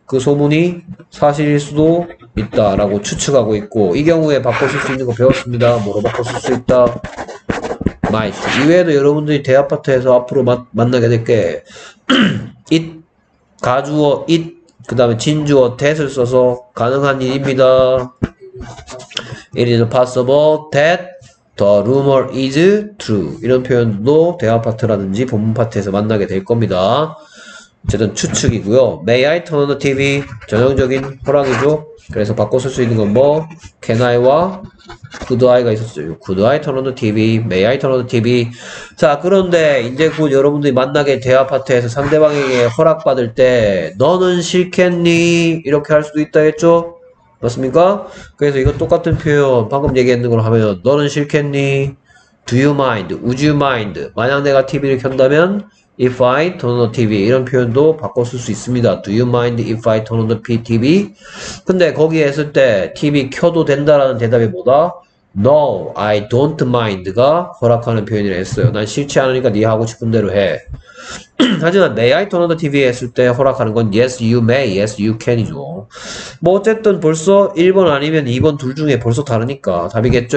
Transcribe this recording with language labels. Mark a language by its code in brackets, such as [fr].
[ko] 그 소문이 사실일 수도 있다라고 추측하고 있고 이 경우에 바꿔쓸 수 있는 거 배웠습니다. 뭐로 바꿔쓸 수 있다? Might. 이외에도 여러분들이 대아파트에서 앞으로 만나게 될게 it 가주어 it 그다음에 진주어 that을 써서 가능한 일입니다. [en] It is possible that The rumor is true. [ko] 이런 표현도 대화파트라든지 본문파트에서 만나게 될 겁니다. 어쨌든 추측이고요. [en] May I turn on the TV? [ko] 전형적인 허락이죠. 그래서 바꿔 쓸수 있는 건 뭐? [en] Can I와 Could I가 있었어요. Could I turn on the TV? May I turn on the TV? [ko] 자, 그런데 이제 곧 여러분들이 만나게 대화파트에서 상대방에게 허락받을 때 너는 싫겠니? 이렇게 할 수도 있다 했죠? 맞습니까? 그래서 이거 똑같은 표현 방금 얘기했는 걸 하면 너는 싫겠니? [en] Do you mind? Would you mind? [ko] 만약 내가 TV를 켠다면 [en] If I turn on the TV [ko] 이런 표현도 바꿔 쓸수 있습니다. [en] Do you mind if I turn on the TV? [ko] 근데 거기에 했을 때 TV 켜도 된다라는 대답이 뭐다? [en] No, I don't mind가 [ko] 허락하는 표현이라 했어요. 난 싫지 않으니까 네 하고 싶은 대로 해. 하지만 [en] May I turn on the TV [ko] 했을 때 허락하는 건 [en] Yes, you may. Yes, you can이죠. [ko] 뭐 어쨌든 벌써 1번 아니면 2번 둘 중에 벌써 다르니까 답이겠죠.